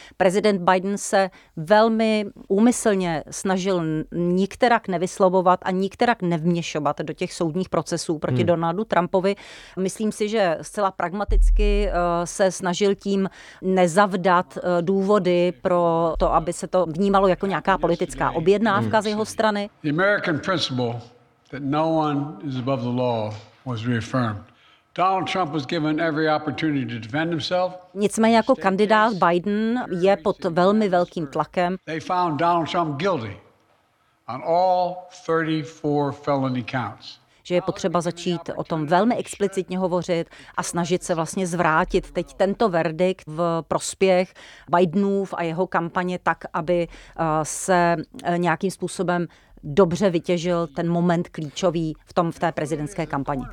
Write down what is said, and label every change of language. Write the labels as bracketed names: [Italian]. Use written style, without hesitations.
[Czech] Prezident Biden se velmi úmyslně snažil nikterak nevyslovovat a nikterak nevměšovat do těch soudních procesů proti Donaldu Trumpovi. Myslím si, že zcela pragmaticky se snažil tím nezavdat důvody pro to, aby se to vnímalo jako nějaká politická objednávka z jeho strany. [English] The American principle that no one is above the law was reaffirmed. Donald Trump was given every opportunity to defend himself. [Czech] Nicméně jako kandidát Biden je pod velmi velkým tlakem. [English] They found Donald Trump guilty on all 34 felony counts. [Czech] Že je potřeba začít o tom velmi explicitně hovořit a snažit se vlastně zvrátit teď tento verdikt v prospěch Bidenův a jeho kampaně tak, aby se nějakým způsobem dobře vytěžil ten moment klíčový v tom v té prezidentské kampani.